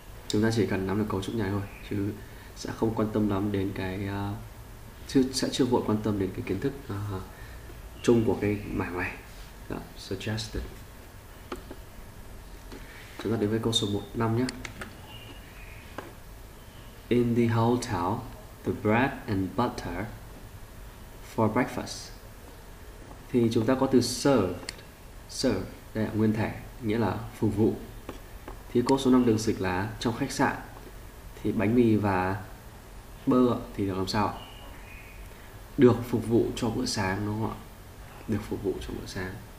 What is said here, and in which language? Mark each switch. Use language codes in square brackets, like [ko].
[vi] Chúng ta chỉ cần nắm được cấu trúc này thôi, chứ sẽ không quan tâm lắm đến cái sẽ chưa vội quan tâm đến cái kiến thức chung của cái mảng này. Đó, suggested. Chúng ta đến với câu số 1, 5 nhé. [en] In the hotel, the bread and butter for breakfast. [vi] Thì chúng ta có từ serve. Serve, đây là nguyên thể, nghĩa là phục vụ. Thì câu số 5 được dịch là trong khách sạn thì bánh mì và bơ thì được làm sao ạ? Được phục vụ cho bữa sáng đúng không ạ? Được phục vụ cho bữa sáng.